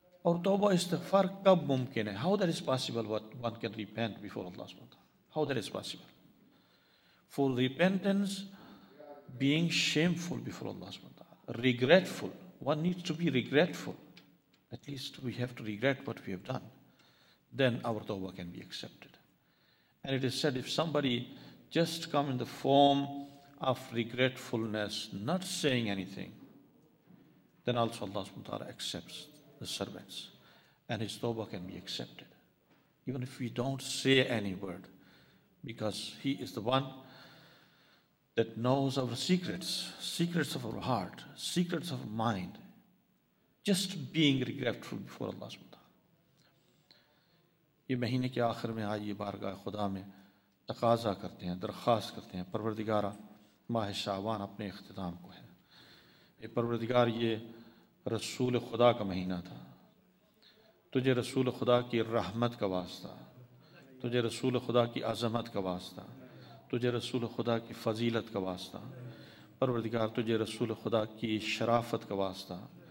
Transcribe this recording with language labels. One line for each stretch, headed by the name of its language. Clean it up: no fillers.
Urdu: اور توبہ و استغفار کب ممکن ہے,
English: How that is possible what one can repent before Allah سبحانہ وتعالیٰ, how that is possible for repentance being shameful before Allah سبحانہ وتعالیٰ, regretful, one needs to be regretful, at least we have to regret what we have done, then our توبہ can be accepted. And it is said if somebody just come in the form of regretfulness, not saying anything, then also Allah subhanahu wa ta'ala accepts the servants and his tawbah can be accepted. Even if we don't say any word, because he is the one that knows our secrets, secrets of our heart, secrets of our mind, just being regretful before Allah subhanahu wa ta'ala.
Urdu: یہ مہینے کے آخر میں آئیے بارگاہ خدا میں تقاضا کرتے ہیں, درخواست کرتے ہیں, پروردگارہ ماہ شعبان اپنے اختتام کو ہے, اے پروردگار یہ رسول خدا کا مہینہ تھا, تجھے رسول خدا کی رحمت کا واسطہ, تجھے رسول خدا کی عظمت کا واسطہ, تجھے رسول خدا کی فضیلت کا واسطہ, پروردگار تجھے رسول خدا کی شرافت کا واسطہ,